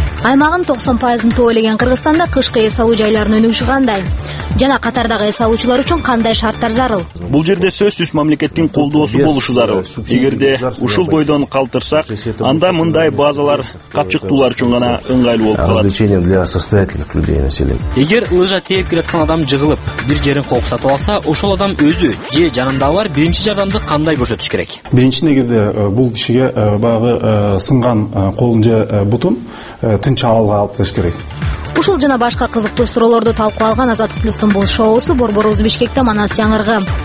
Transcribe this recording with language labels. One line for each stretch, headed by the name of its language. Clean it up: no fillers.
Kyrgyz: Аймагын 90% тоолеген Кыргызстанда кышкы эс алуу жайларынын өнүгүшү кандай? Жана катардагы эс алуучулар үчүн кандай шарттар зарыл? Бул жерде сөзсүз мамлекеттин колдоосу болушу зарыл. Эгерде ушул бойдон калтырсак, анда мындай базалар капчыктуулар үчүн гана ыңгайлуу болуп калат.
Russian: Развлечение для состоятельных людей населения.
Kyrgyz: Эгер лыжа тээп келаткан адам жыгылып, бир жерин кокуп сатып алса, ошол адам өзү же жанындагылар биринчи жардамды кандай көрсөтүш керек? Биринчи негизде бул кишиге баягы сынган колун же бутун тынч абалга алып келиш керек. Ушул жана башка кызыктуу суроолорду талкуу алган Азаттык Плюстун бул шоусу борборубуз Бишкекте Манас жаңыргы.